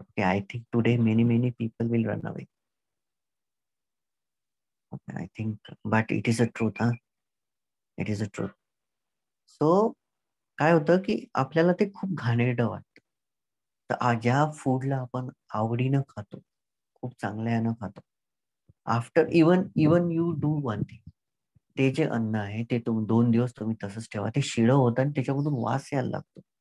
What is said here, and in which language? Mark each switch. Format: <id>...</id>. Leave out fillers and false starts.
<en>Okay, I think today many many people will run away. I think, but it is a truth, huh? It is a truth.</en> <mr>So, काय होतं की आपल्याला ते खूप घाणेरड वाटतं, तर ज्या फूडला आपण आवडीनं खातो, खूप चांगल्यानं खातो,</mr> <en>after even you do one thing,</en> <mr>ते जे अन्न आहे ते तुम्ही 2 दिवस तुम्ही तसंच ठेवा, ते शिळं होतं आणि त्याच्यामधून वास यायला लागतो.</mr>